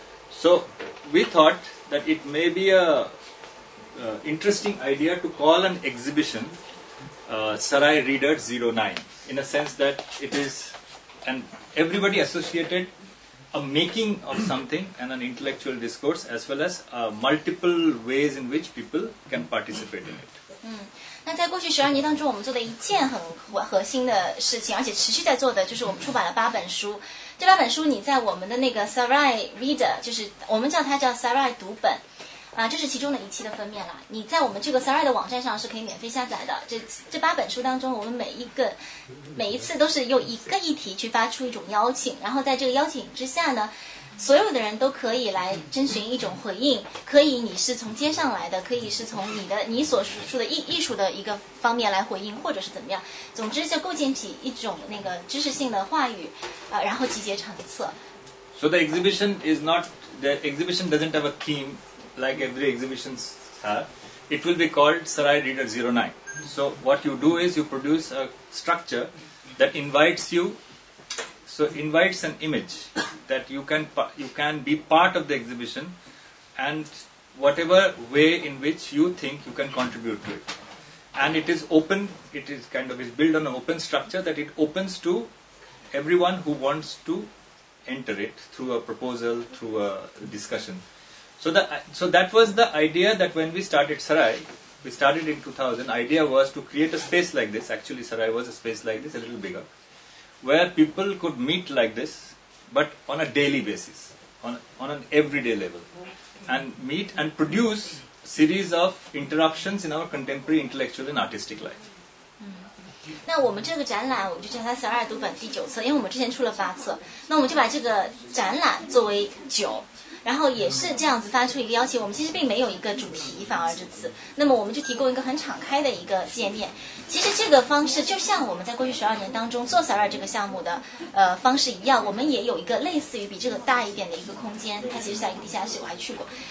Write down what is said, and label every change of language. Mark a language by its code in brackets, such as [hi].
[en] So we thought that it may be an interesting idea to call an exhibition Sarai Reader 09. In a sense that it is, and everybody associated a making of something and an intellectual discourse as well as multiple ways in which people can participate in it. [zh] 那在过去十二年当中，我们做的一件很核心的事情，而且持续在做的，就是我们出版了8本书。这8本书，你在我们的那个 Sarai Reader， 就是我们叫它叫 Sarai 读本。这是其中的一期的封面啦。你在我们这个 Sarai 的网站上是可以免费下载的。这8本书当中，我们每一次都是用一个议题去发出一种邀请，然后在这个邀请之下呢，所有的人都可以来征询一种回应。可以你是从街上来的，可以是从你所属处的艺术的一个方面来回应，或者是怎么样。总之就构建起一种那个知识性的话语，然后集结成册。 [en] So the exhibition is not, the exhibition doesn't have a theme. Like every exhibition has, it will be called Sarai Reader 09. So what you do is you produce a structure that invites an image that you can be part of the exhibition and whatever way in which you think you can contribute to it. And it is open, it is kind of, it's built on an open structure that it opens to everyone who wants to enter it through a proposal, through a discussion. So that was the idea that when we started Sarai, we started in 2000, the idea was to create a space like this, actually Sarai was a space like this, a little bigger, where people could meet like this, but on a daily basis, on an everyday level, and meet and produce a series of interruptions in our contemporary intellectual and artistic life. [zh] 那我们这个展览，我们就叫它十二读本第9册，因为我们之前出了8册，那我们就把这个展览作为9，然后也是这样子发出一个邀请。我们其实并没有一个主题，反而这次，那么我们就提供一个很敞开的一个界面。其实这个方式就像我们在过去12年当中做十二这个项目的方式一样，我们也有一个类似于比这个大一点的一个空间，它其实在一个地下室，我还去过。